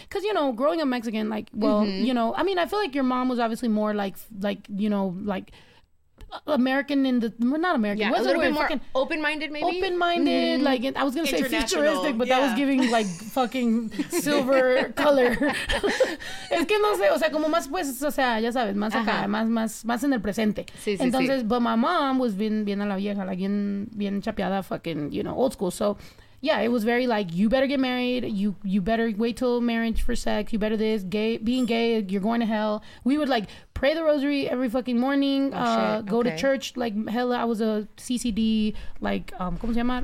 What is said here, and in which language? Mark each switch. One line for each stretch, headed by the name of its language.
English: Because, you know, growing up Mexican, like, well, you know, I mean, I feel like your mom was obviously more like, you know, like American in the, not American. Yeah, a little bit more open-minded, maybe? Open-minded, like, I was going to say futuristic, but that was giving, like, fucking silver color.
Spanish: Es que no sé, o sea, como más pues, o sea, ya sabes, más acá, más en el presente. Sí, entonces.
English: But my mom was
Spanish: bien a la vieja,
English: like,
Spanish: bien chapeada,
English: fucking, you know, old school. So, yeah, it was very, like, you better get married, you better wait till marriage for sex, you better this, being gay, you're going to hell. We would, like, pray the rosary every fucking morning, go to church, like, hella, I was a CCD, like,
Spanish: ¿cómo se llama?